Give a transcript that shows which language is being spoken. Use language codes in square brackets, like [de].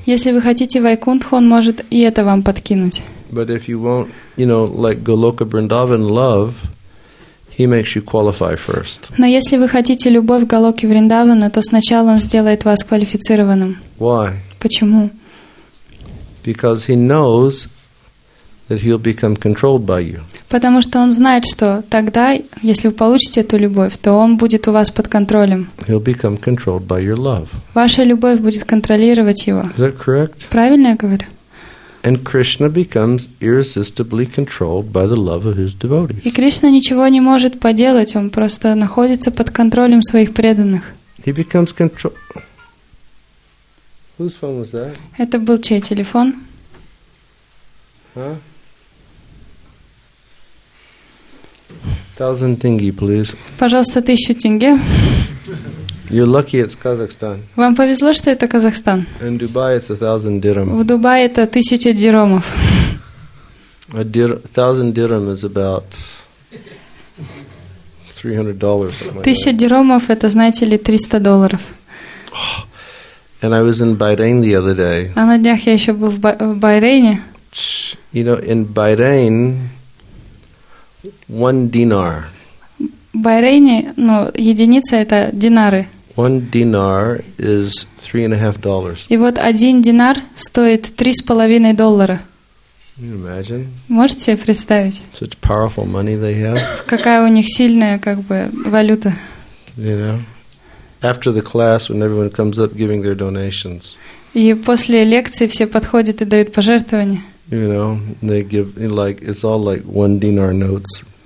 [ru] Если вы хотите Вайкунтху, он может и это вам подкинуть. [en] But if you want, you know, like Goloka Vrindavan love, he makes you qualify first. [ru] Но если вы хотите любовь Голоки Вриндавана, то сначала он сделает вас квалифицированным. [en] Why? [ru] Почему? [en] Because he knows that he'll become controlled by you. [ru] Потому что он знает, что тогда, если вы получите эту любовь, то он будет у вас под контролем. [en] He'll become controlled by your love. [ru] Ваша любовь будет контролировать его. [en] Is that correct? [ru] Правильно я говорю? [en] And Krishna becomes irresistibly controlled by the love of his devotees. [ru] И Кришна ничего не может поделать, он просто находится под контролем своих преданных. [en] He becomes controlled. Whose phone was that? [ru] Это был чей телефон? [en] Huh? 1,000 тенге, please. [ru] Пожалуйста, 1,000 тенге. [en] You're lucky it's Kazakhstan. [ru] Вам повезло, что это Казахстан. [en] In Dubai it's 1,000 dirham. [ru] В Дубае это 1,000 дирхамов. [en] 1,000 dirham is about $300. [ru] 1,000 дирхамов это, знаете ли, $300. [en] And I was in Bahrain the other day. [ru] А на днях я еще был в Байрейне. [en] You know, in Bahrain, one dinar. [ru] В Байрейне, ну, единица это динары. [en] One dinar is $3.5. [ru] И вот один динар стоит $3.5. [en] Can you imagine? [ru] Можете себе представить? [en] Such powerful money they have. [ru] Какая у них сильная, как бы, валюта. [en] You know? After the class, when everyone comes up giving their donations. [ru] И после лекции все подходят и дают пожертвования. [en] You know, they give like it's all like one dinar notes.